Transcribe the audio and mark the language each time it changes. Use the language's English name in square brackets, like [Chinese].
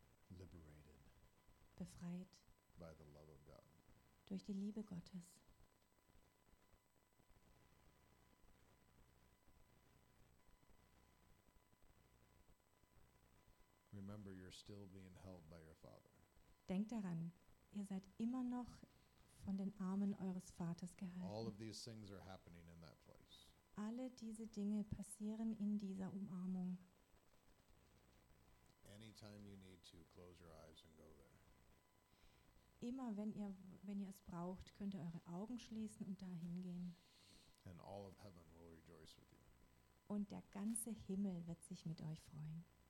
[English] Liberated. [German] Befreit. [English] By the love of God. [German] Durch die Liebe Gottes. [English] Remember, you're still being held by your father. [German] Denkt daran, ihr seid immer noch von den Armen eures Vaters gehalten. [English] All of these things are happening in that place. [German] Alle diese Dinge passieren in dieser Umarmung. [English] Anytime you need to, close your eyes and go there. [German] Immer wenn ihr es braucht, könnt ihr eure Augen schließen und dahin gehen. [English] And all of heaven will rejoice with you. [German] Und der ganze Himmel wird sich mit euch freuen.